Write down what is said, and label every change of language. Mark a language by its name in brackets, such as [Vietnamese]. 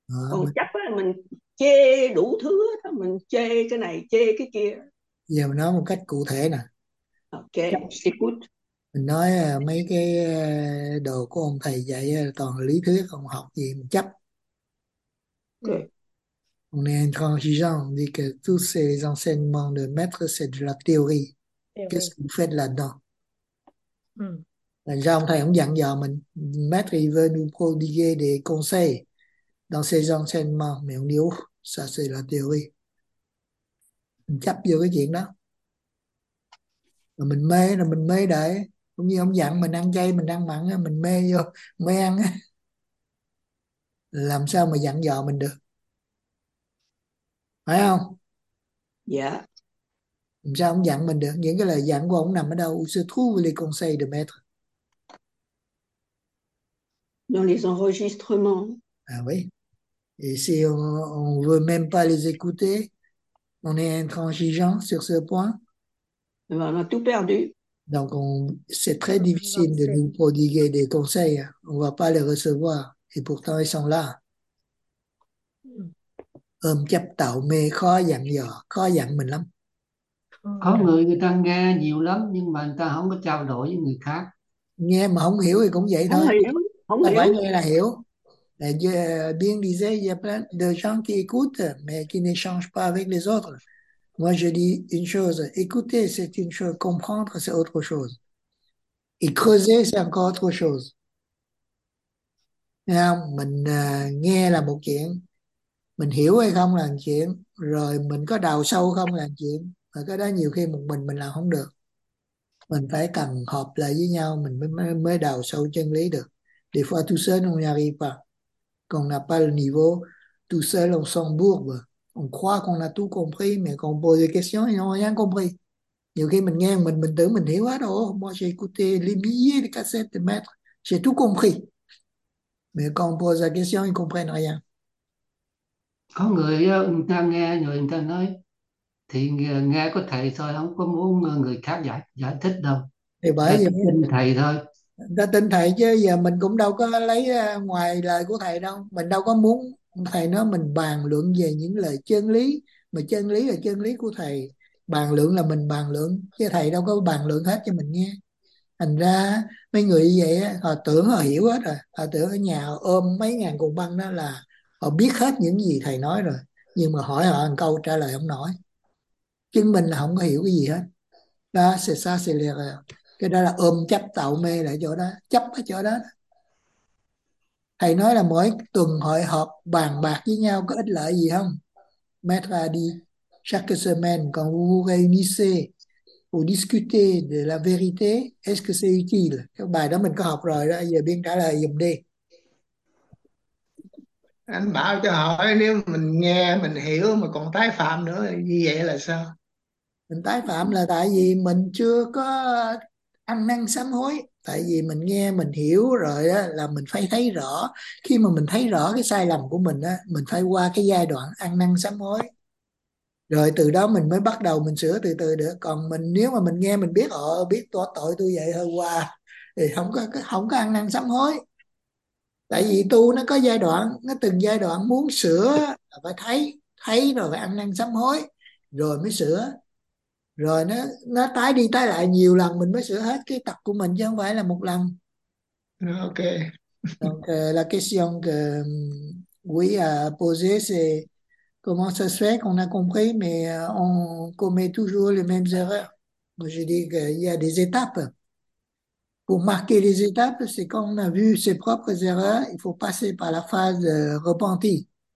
[Vietnamese] Còn chắc là mình chê đủ thứ đó, mình chê cái này, chê cái kia. giờ mình nói một cách cụ thể nè, [English] Ok, she could. [Vietnamese] mình nói mấy cái đồ của ông thầy dạy toàn lý thuyết, không học gì mình chấp. [French] On Ok. est intransigeant, dit que tous ces enseignements de maître, c'est de la théorie. Qu'est-ce que Théorie. vous faites là-dedans? [Vietnamese] Ừ. Là sao ông thầy không dặn dò mình? Maître, il veut nous prodiguer des conseils dans ces enseignements, mais on dit ouf, ça c'est la théorie. Mình chấp vô cái chuyện đó. Rồi mình mê, rồi mình mê đấy. Cũng như ông dặn mình ăn chay, mình ăn mặn, mình mê vô, mê ăn. Làm sao mà dặn dò mình được? Phải không? Dạ. Làm sao ông dặn mình được? Những cái lời dặn của ông nằm ở đâu? [French] Se trouve les conseils de maître. Dans les enregistrements. Ah oui. Et si on ne veut même pas les écouter, on est intransigeant sur ce point. On a tout perdu. Donc, c'est très Non, difficile de nous prodiguer des conseils. On ne va pas les recevoir. Et pourtant, ils sont là. [Vietnamese] Ôm chấp tạo mê khó dặn dò. Khó dặn mình lắm. có người người ta nghe nhiều lắm nhưng mà người ta không có trao đổi với người khác, Nghe mà không hiểu thì cũng vậy không thôi. hiểu, không Ta phải hiểu. nghe là hiểu. [French] Là bien disait, il y a plein de gens qui écoutent, mais qui n'échangent pas avec les autres. Moi, je dis une chose, écouter, c'est une chose, comprendre, c'est autre chose. Et creuser, c'est encore autre chose. [Vietnamese] Mình nghe là một chuyện, mình hiểu hay không là một chuyện, rồi mình có đào sâu không là một chuyện, và cái đó nhiều khi mình làm không được. Mình phải cần họp lại với nhau, mình mới đào sâu chân lý được. [French] Des fois, tout seul, on n'y arrive pas. Qu'on n'a pas le niveau, tout seul, on s'embourbe. On croit qu'on a tout compris, mais qu'on pose des questions et on n'a rien compris. Nhiều khi mình nghe, mình tưởng mình hiểu hết rồi. Moi, j'ai écouté les milliers de cassettes de maître, j'ai tout compris. Mais quand on pose la question, ils ne comprennent rien. [Vietnamese] Có người ta nghe, người ta nói thì nghe có thầy thôi, không có muốn người khác giải thích đâu, Thì ta bởi chỉ tin thầy thôi. vì người ta tin thầy chứ giờ mình cũng đâu có lấy ngoài lời của thầy đâu. Mình đâu có muốn thầy nói, mình bàn luận về những lời chân lý. Mà chân lý là chân lý của thầy. Bàn luận là mình bàn luận, chứ thầy đâu có bàn luận hết cho mình nghe. Thành ra mấy người như vậy họ tưởng họ hiểu hết rồi, họ tưởng ở nhà ôm mấy ngàn cuộn băng đó là họ biết hết những gì thầy nói rồi, nhưng mà hỏi họ một câu trả lời không nổi, chứng minh là không có hiểu cái gì hết đó. Xa xa xa liệt rồi, cái đó là ôm chấp tạo mê lại chỗ đó, chấp ở chỗ đó. Thầy nói là mỗi tuần hội họp bàn bạc với nhau có ích lợi gì không? [French] Maître a dit chaque semaine quand vous vous réunissez pour discuter de la vérité, est-ce que c'est utile? [Vietnamese] Cái bài đó mình có học rồi đó, giờ biên trả lời giùm đi. Anh bảo cho hỏi nếu mình nghe mình hiểu mà còn tái phạm nữa như vậy là sao? Mình tái phạm là tại vì mình chưa có ăn năn sám hối. Tại vì mình nghe mình hiểu rồi đó, là mình phải thấy rõ. Khi mà mình thấy rõ cái sai lầm của mình đó, mình phải qua cái giai đoạn ăn năn sám hối. Rồi từ đó mình mới bắt đầu mình sửa từ từ được. Còn mình nếu mà mình nghe mình biết họ biết tội tôi vậy hôm qua thì không có ăn năn sám hối. Tại vì tu nó có giai đoạn, nó từng giai đoạn muốn sửa phải thấy, thấy rồi phải ăn năn sám hối rồi mới sửa. Rồi nó tái đi tái lại nhiều lần mình mới sửa hết cái tật của mình chứ không phải là một lần. Ok. [French] Donc la question que oui a posé c'est comment ça se fait qu'on a compris, mais on commet toujours les mêmes erreurs. Moi, je dis qu'il y a des étapes. Pour marquer les étapes, c'est quand on a vu ses propres erreurs, il faut passer par la phase repentie.